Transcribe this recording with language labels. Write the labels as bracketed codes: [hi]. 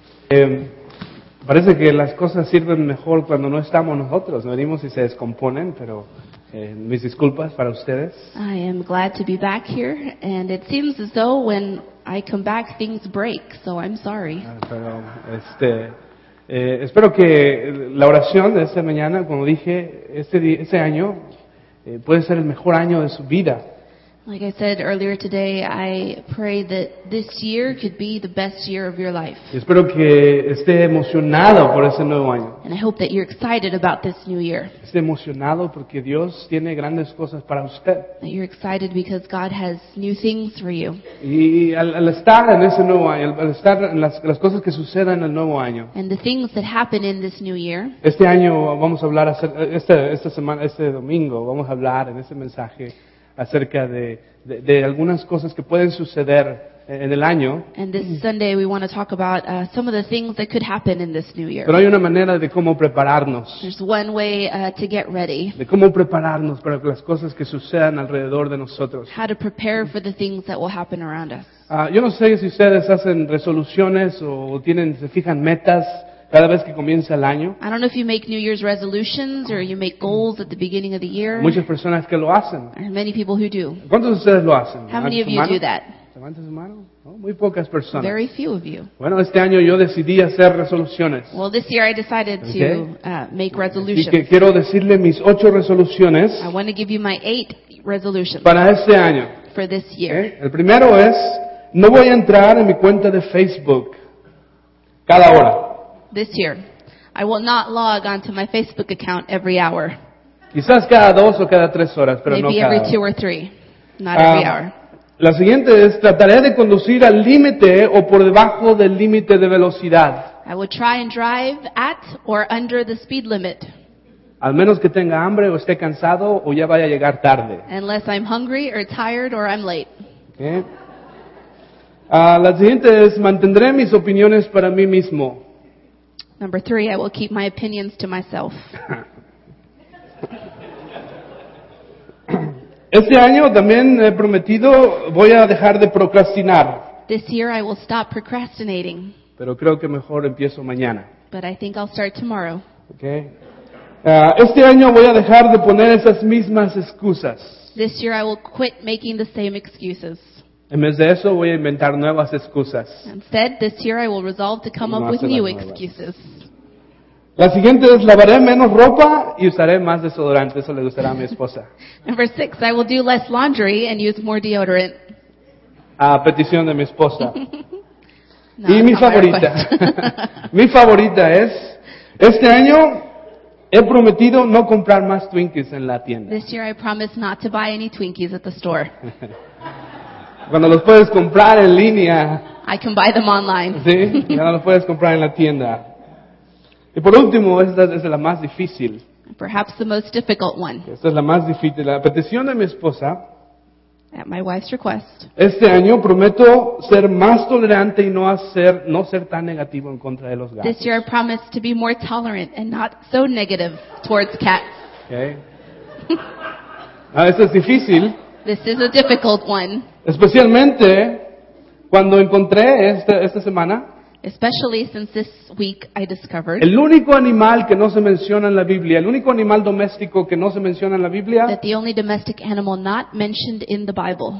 [es] Parece que las cosas sirven mejor cuando no estamos nosotros. Venimos y se descomponen, pero mis disculpas para ustedes. [en] I am glad to be back here, and it seems as though when I come back, things break, so I'm sorry. [es] Pero, espero que la oración de esta mañana, como dije, este año puede ser el mejor año de su vida. [en] Like I said earlier today, I pray that this year could be the best year of your life. [es] Espero que esté emocionado por ese nuevo año. [en] And I hope that you're excited about this new year. [es] Esté emocionado porque Dios tiene grandes cosas para usted. [en] That you're excited because God has new things for you. [es] Y al estar en ese nuevo año, al estar en las cosas que sucedan en el nuevo año. [en] And the things that happen in this new year. [es] Este año vamos a hablar esta semana, este domingo vamos a hablar en ese mensaje acerca de algunas cosas que pueden suceder en el año. [en] And this Sunday we want to talk about some of the things that could happen in this new year. [es] Pero hay una manera de cómo prepararnos. [en] There's one way to get ready. [es] De cómo prepararnos para las cosas que sucedan alrededor de nosotros. [en] How to prepare for the things that will happen around us. [es] Yo no sé si ustedes hacen resoluciones o se fijan metas cada vez que comienza el año. [en] I don't know if you make New Year's resolutions or you make goals at the beginning of the year. [es] Muchas personas que lo hacen. [en] Many people who do. [es] ¿Cuántos de ustedes lo hacen? [en] How many of you do that? [es] ¿Levanta su mano? Oh, muy pocas personas. [en] Very few of you. [es] Bueno, este año yo decidí hacer resoluciones. [en] Well, this year I decided to make resolutions. [es] Y que quiero decirle mis 8 resoluciones. [en] I want to give you my 8 resolutions. [es] Para este año. [en] For this year. ¿Eh? [es] El primero es, no voy a entrar en mi cuenta de Facebook cada hora. [en] This year, I will not log onto my Facebook account every hour. [es] Quizás cada dos o cada tres horas, pero [en] maybe [es] no cada [en] every two or three, not every hour. [es] La siguiente es, trataré de conducir al límite o por debajo del límite de velocidad. [en] I will try and drive at or under the speed limit. [es] Al menos que tenga hambre o esté cansado o ya vaya a llegar tarde. [en] Unless I'm hungry or tired or I'm late. Okay. [es] La siguiente es, mantendré mis opiniones para mí mismo. [en] Number 3, I will keep my opinions to myself. [es] Este año también he prometido voy a dejar de procrastinar. [en] This year I will stop procrastinating. [es] Pero creo que mejor empiezo mañana. [en] But I think I'll start tomorrow. Okay. [es] Este año voy a dejar de poner esas mismas excusas. [en] This year I will quit making the same excuses. [es] En vez de eso, voy a inventar nuevas excusas. [en] Instead, this year I will resolve to come up with new excuses. [es] La siguiente es, lavaré menos ropa y usaré más desodorante. Eso le gustará a mi esposa. [en] Number 6, I will do less laundry and use more deodorant. [es] A petición de mi esposa. Y mi favorita. Mi favorita es, este año he prometido no comprar más Twinkies en la tienda. [en] This year I promise not to buy any Twinkies at the store. [es] Cuando los puedes comprar en línea. [en] I can buy them online. [es] Sí, ya no los puedes comprar en la tienda. Y por último, esta es la más difícil. [en] Perhaps the most difficult one. [es] Esta es la más difícil. La petición de mi esposa. [en] At my wife's request. [es] Este año prometo ser más tolerante y no ser tan negativo en contra de los gatos. [en] This year I promise to be more tolerant and not so negative towards cats. [es] Okay. Esta es difícil. [en] This is a difficult one. [es] Especialmente cuando encontré esta semana. [en] Especially since this week I discovered. [es] El único animal que no se menciona en la Biblia, el único animal doméstico que no se menciona en la Biblia. [en] That the only domestic animal not mentioned in the Bible.